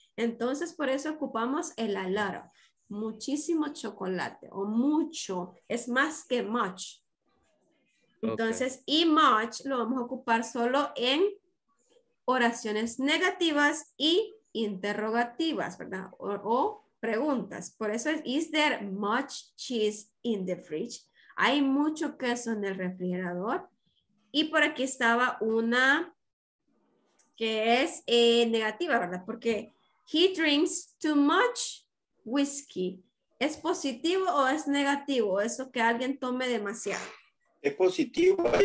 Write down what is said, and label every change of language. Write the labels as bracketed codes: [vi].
[es] Entonces, por eso ocupamos el a lot of. Muchísimo chocolate. O mucho. Es más que much. Entonces, okay. Y much lo vamos a ocupar solo en oraciones negativas y interrogativas, ¿verdad? O preguntas. Por eso, [en] is there much cheese in the fridge? [es] Hay mucho queso en el refrigerador. Y por aquí estaba una que es negativa, ¿verdad? Porque [en] he drinks too much whiskey. [es] ¿Es positivo o es negativo? Eso que alguien tome demasiado. ¿Es positivo?